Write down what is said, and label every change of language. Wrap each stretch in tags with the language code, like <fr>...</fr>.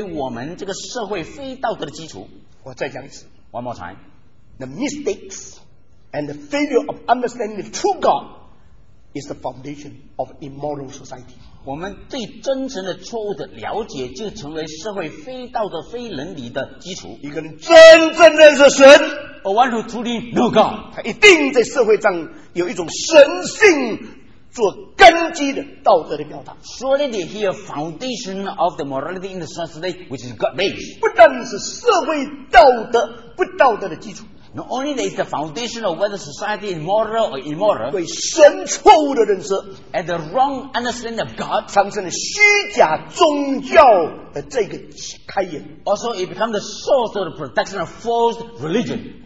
<zh>我们对神的这个错误了解成为我们这个社会非道德的基础。我再讲一次。</zh> <en>One more time. The mistakes and the failure of understanding the true God is the foundation of immoral society.</en> <zh>我们对真诚的错误的了解就成为社会非道德非伦理的基础。一个人真正认识神，</zh> <en>or one who truly know God，</en> <zh>他一定在社会上有一种神性做根基的道德的表达。</zh> <en>Surely he a foundation of the morality in the society which is God based.</en> <zh>不但是社会道德不道德的基础，</zh> <en>not only that is the foundation of whether society is moral or immoral.</en> <zh>对神错误的认识，</zh> <en>and the wrong understanding of God，</en> <zh>产生了虚假宗教的这个开眼，</zh> <en>also it becomes the source of the production of false religion.</en>